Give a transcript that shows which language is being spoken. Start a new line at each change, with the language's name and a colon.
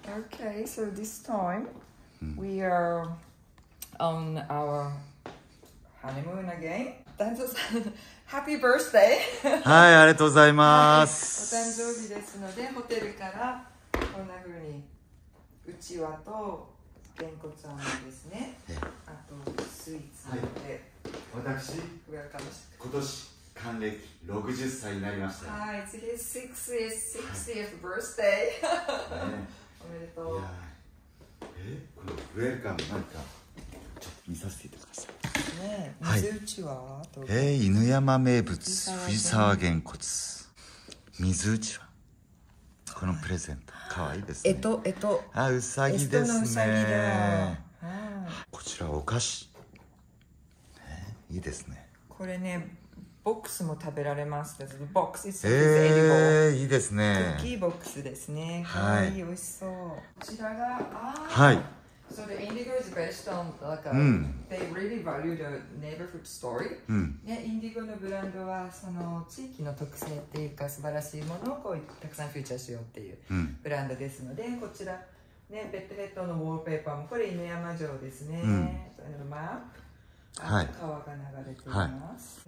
English: ？Okay, so this time we are on our honeymoon again. Danzo, happy birthday!
Japanese: はい、ありがとうございます。お誕生日ですので、ホテルからこんな風にうちわと原骨あんですね。あとスイーツで、はい、私今年。還暦60歳になりました。はい、次
English: 60th birthday、
Japanese: はい、おめでとう。このウェルカム何かちょっと見させていただきます。ねえ、はい、水うちわ、犬山名物藤沢原骨水うちわ、このプレゼント、はい、かわいいですね。あ、うさぎですね。こちらお菓子、いいですね。これね、ボックスも食べられます。ボックス、いいですね。クッキーボックスですね。はい、美味しそう。こちらが、はい。
English: So the Indigo is based on like a、うん、they really value the neighborhood story、うん。
Japanese: ね、インディゴのブランドはその地域の特性っていうか素晴らしいものをこうたくさんフューチャーしようっていうブランドですので、うん、こちらね、ベッドヘッドのウォールペーパーもこれ犬山城ですね。うん、マップ。はい、川が流れています、